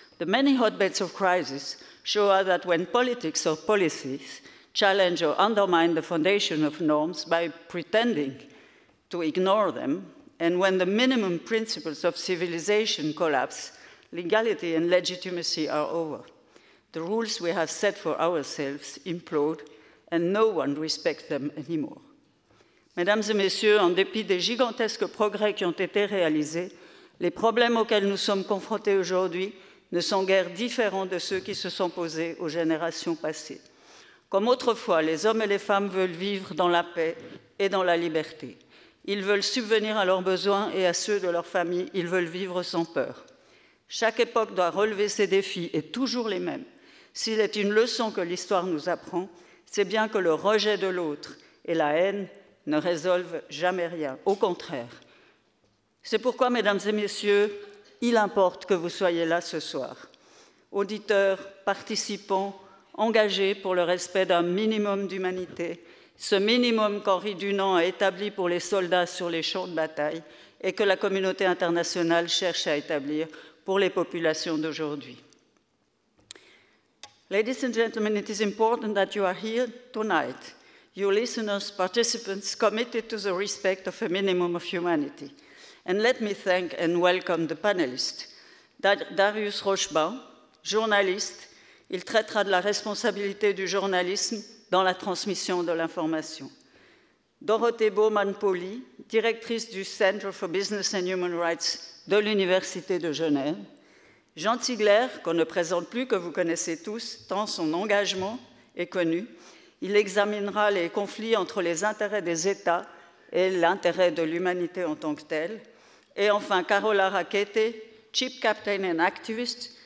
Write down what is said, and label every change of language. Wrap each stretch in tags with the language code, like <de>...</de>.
<en>The many hotbeds of crisis show us that when politics or policies challenge or undermine the foundation of norms by pretending to ignore them, and when the minimum principles of civilization collapse, legality and legitimacy are over. The rules we have set for ourselves implode, and no one respects them anymore.</en> <fr>Mesdames et messieurs, en dépit des gigantesques progrès qui ont été réalisés, les problèmes auxquels nous sommes confrontés aujourd'hui ne sont guère différents de ceux qui se sont posés aux générations passées. Comme autrefois, les hommes et les femmes veulent vivre dans la paix et dans la liberté. Ils veulent subvenir à leurs besoins et à ceux de leur famille. Ils veulent vivre sans peur. Chaque époque doit relever ses défis, et toujours les mêmes. S'il est une leçon que l'histoire nous apprend, c'est bien que le rejet de l'autre et la haine ne résolvent jamais rien. Au contraire. C'est pourquoi, mesdames et messieurs, il importe que vous soyez là ce soir. Auditeurs, participants, engagés pour le respect d'un minimum d'humanité, ce minimum qu'Henri Dunant a établi pour les soldats sur les champs de bataille et que la communauté internationale cherche à établir pour les populations d'aujourd'hui.</fr> <en>Ladies and gentlemen, it is important that you are here tonight. You listeners, participants, committed to the respect of a minimum of humanity. And let me thank and welcome the panelists.</en> <fr>Darius Rochebain, journaliste, il traitera de la responsabilité du journalisme dans la transmission de l'information. Dorothée Baumann-Poli, directrice du Center for Business and Human Rights de l'Université de Genève. Jean Tigler, qu'on ne présente plus, que vous connaissez tous, tant son engagement est connu. Il examinera les conflits entre les intérêts des États et l'intérêt de l'humanité en tant que telle. Et enfin,</fr> <en>Carola Rackete, chief captain and activist.</en>